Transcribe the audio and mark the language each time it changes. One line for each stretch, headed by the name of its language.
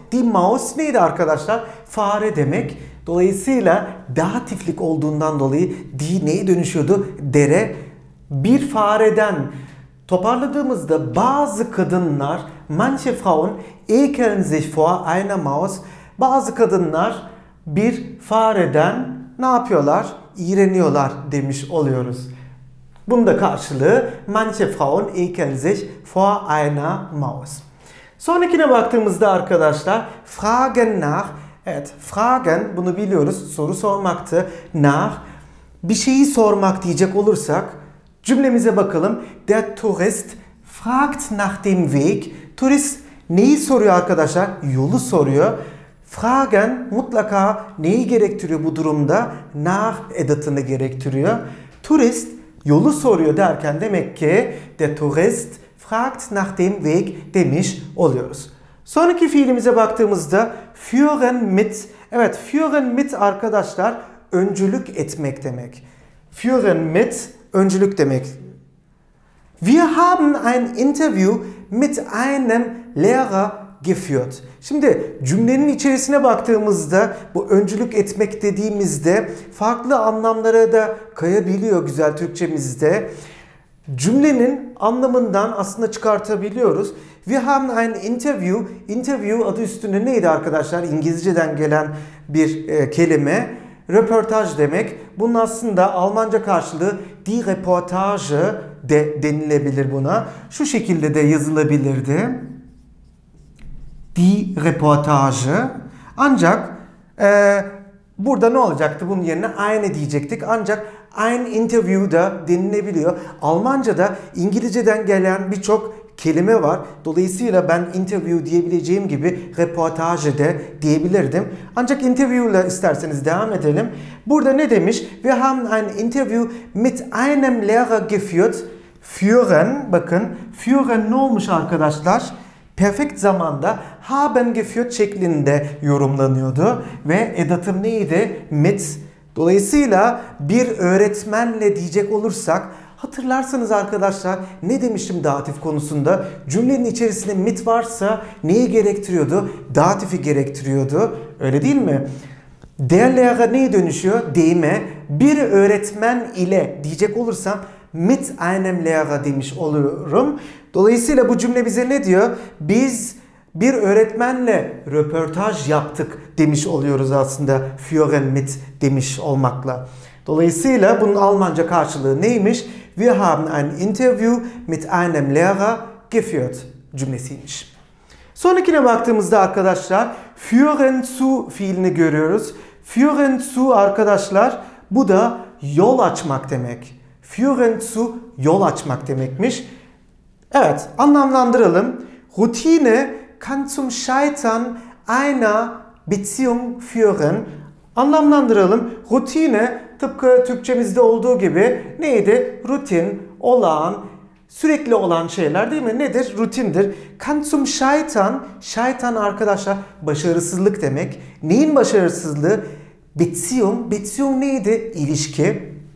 Turkish: Die Maus neydi arkadaşlar? Fare demek. Dolayısıyla datiflik olduğundan dolayı die neye dönüşüyordu? Dere. Bir fareden. Toparladığımızda bazı kadınlar,
German: manche Frauen ekeln sich vor einer Maus.
Turkish: Bazı kadınlar bir fareden ne yapıyorlar? iğreniyorlar demiş oluyoruz.
German: Bunun da karşılığı manche Frauen ekeln sich vor einer Maus.
Turkish: Sonrakine baktığımızda arkadaşlar fragen nach, evet fragen bunu biliyoruz, soru sormaktı, nach bir şeyi sormak diyecek olursak cümlemize bakalım.
German: Der Tourist fragt nach dem Weg.
Turkish: Turist neyi soruyor arkadaşlar? Yolu soruyor. Fragen mutlaka neyi gerektiriyor bu durumda? Nach edatını gerektiriyor. Turist yolu soruyor derken demek ki
German: der Tourist fragt nach dem Weg
Turkish: demiş oluyoruz. Sonraki fiilimize baktığımızda führen mit. Evet, führen mit arkadaşlar öncülük etmek demek. Führen mit öncülük demek.
German: Wir haben ein Interview mit einem Lehrer geführt.
Turkish: Şimdi cümlenin içerisine baktığımızda bu öncülük etmek dediğimizde farklı anlamlara da kayabiliyor güzel Türkçemizde. Cümlenin anlamından aslında çıkartabiliyoruz.
German: Wir haben ein Interview.
Turkish: Interview adı üstünde neydi arkadaşlar? İngilizceden gelen bir kelime. Röportaj demek. Bunun aslında Almanca karşılığı die Reportage de denilebilir buna. Şu şekilde de yazılabilirdi. Die Reportage. Ancak burada ne olacaktı? Bunun yerine eine diyecektik. Ancak ein Interview da denilebiliyor. Almanca'da İngilizceden gelen birçok kelime var. Dolayısıyla ben interview diyebileceğim gibi reportaj de diyebilirdim. Ancak interview ile isterseniz devam edelim. Burada ne demiş?
German: Wir haben ein Interview mit einem Lehrer geführt.
Turkish: Führen, bakın. Führen ne olmuş arkadaşlar? Perfekt zamanda haben geführt şeklinde yorumlanıyordu. Ve edatım neydi? Mit. Dolayısıyla bir öğretmenle diyecek olursak, hatırlarsanız arkadaşlar ne demiştim datif konusunda? Cümlenin içerisinde mit varsa neyi gerektiriyordu? Datifi gerektiriyordu. Öyle değil mi? Der Lehrer neye dönüşüyor? Deyime. Bir öğretmen ile diyecek olursam
German: mit einem Lehrer
Turkish: demiş oluyorum. Dolayısıyla bu cümle bize ne diyor? Biz bir öğretmenle röportaj yaptık demiş oluyoruz aslında. Führen mit demiş olmakla. Dolayısıyla bunun Almanca karşılığı neymiş?
German: Wir haben ein Interview mit einem Lehrer geführt
Turkish: cümlesiymiş. Sonrakine baktığımızda arkadaşlar führen zu fiilini görüyoruz. Führen zu arkadaşlar bu da yol açmak demek. Führen zu yol açmak demekmiş. Evet, anlamlandıralım.
German: Routine kann zum Scheitern einer Beziehung führen.
Turkish: Anlamlandıralım. Routine tıpkı Türkçemizde olduğu gibi neydi? Rutin, olağan, sürekli olan şeyler değil mi? Nedir? Rutindir.
German: Kann zum Scheitern,
Turkish: Scheitern arkadaşlar başarısızlık demek. Neyin başarısızlığı? Beziehung, Beziehung neydi? İlişki.